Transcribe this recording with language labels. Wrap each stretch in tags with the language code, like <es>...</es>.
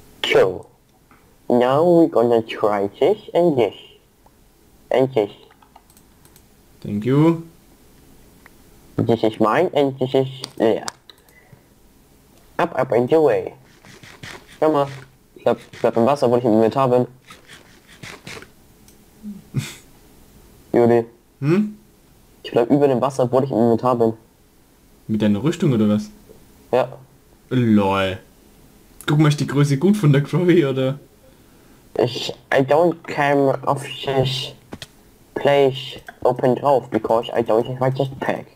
<en>So, now we're gonna try this and this. And this. Thank you. This is mine and this is there. Up, up and away.</en> <de>Schau mal, ich bleib im Wasser, wo ich im Inventar bin. Juli. Ich bleib über dem Wasser, wo ich im Inventar bin. Mit deiner Rüstung oder was? Ja. Lol. Guck mal, ist die Größe gut von der Crowy oder?</de> <en>I don't care of this place open drauf, because I don't have my jetpack.</en>